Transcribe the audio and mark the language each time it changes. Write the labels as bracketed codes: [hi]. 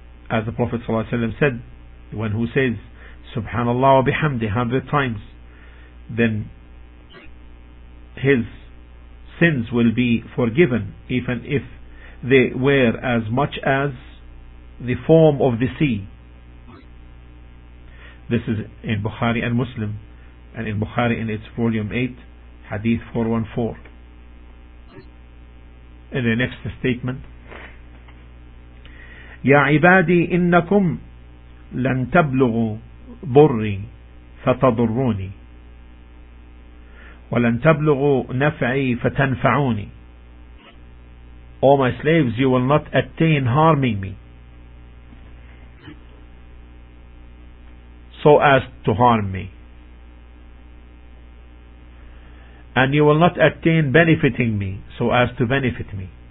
[en] As the Prophet ﷺ said, when who says Subhanallah wa bihamdi 100 times, then his sins will be forgiven, even if they were as much as the foam of the sea. This is in Bukhari and Muslim, and in Bukhari in its volume 8, Hadith 414. In the next statement, [ar] يا عبادي إنكم لن تبلغوا ضري فتضروني ولن تبلغوا نفعي فتنفعوني. [en] O my slaves, you will not attain harming me so as to harm me, and you will not attain benefiting me so as to benefit me.